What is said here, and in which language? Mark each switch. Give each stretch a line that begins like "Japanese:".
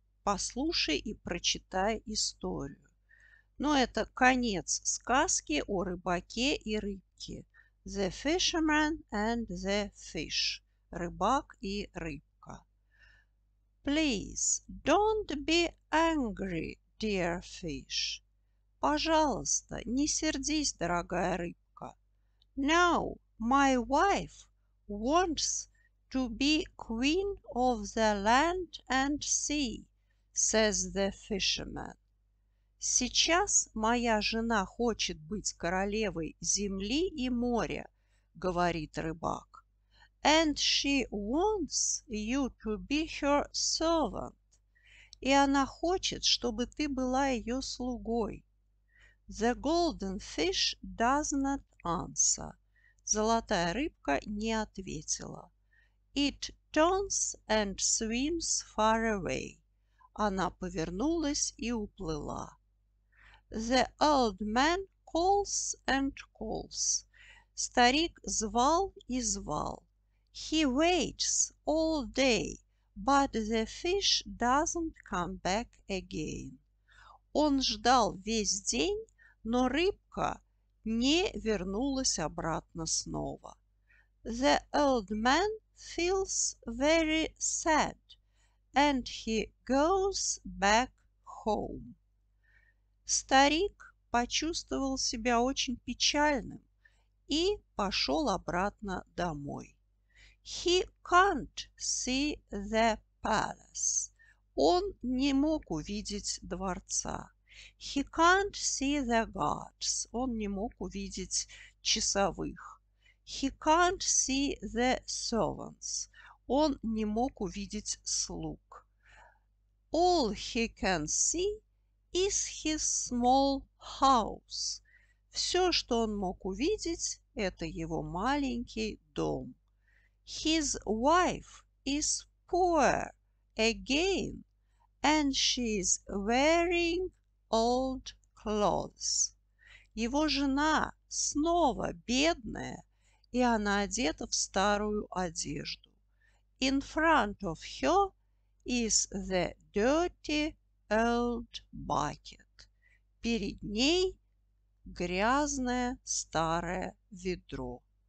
Russian: Послушай и прочитай историю. Но это конец сказки о рыбаке и рыбке.
English: The fisherman and the fish.
Russian: Рыбак и рыбка.
English: Please, don't be angry, dear fish.
Russian: Пожалуйста, не сердись, дорогая рыбка.
English: Now, my wife wants to be queen of the land and sea, says the fisherman.
Russian: Сейчас моя жена хочет быть королевой земли и моря, говорит рыбак.
English: And she wants you to be her servant.
Russian: И она хочет, чтобы ты была ее слугой.
English: The golden fish does not answer.
Russian: Золотая рыбка не ответила.
English: It turns and swims far away.
Russian: Она повернулась и уплыла.
English: The old man calls and calls.
Russian: Старик звал и звал.
English: He waits all day, but the fish doesn't come back again.
Russian: Он ждал весь день, но рыбка не вернулась обратно снова.
English: The old man feels very sad, and he goes back home.
Russian: Старик почувствовал себя очень печальным и пошел обратно домой.
English: He can't see the palace.
Russian: Он не мог увидеть дворца.
English: He can't see the guards.
Russian: Он не мог увидеть часовых.
English: He can't see the servants.
Russian: Он не мог увидеть слуг.
English: All he can see is his small house.
Russian: Все, что он мог увидеть, это его маленький дом.
English: His wife is poor again, and she is wearing old clothes.
Russian: Его жена снова бедная, и она одета в старую одежду.
English: In front of her is the dirty old bucket.
Russian: Перед ней грязное старое ведро.